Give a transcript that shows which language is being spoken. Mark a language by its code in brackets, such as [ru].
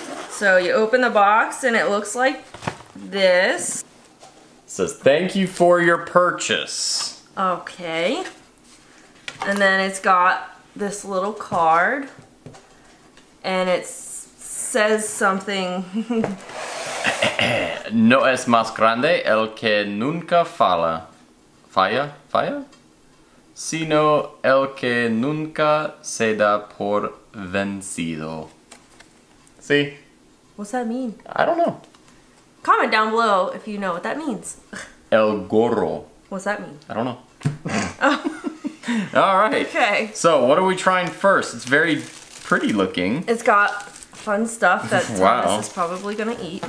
[en] So you open the box and it looks like this. It says, thank you for your purchase. Okay. And then it's got this little card and it says something. [es] No es más grande el que nunca falla. Falla? Falla? Sino el que nunca se da por vencido. [en] See? [es] Sí. [en] What's that mean? I don't know. Comment down below if you know what that means. [es] El gorro. [en] What's that mean? I don't know. All right. Okay. So what are we trying first? It's very pretty looking. It's got fun stuff that Thomas wow. is probably gonna eat.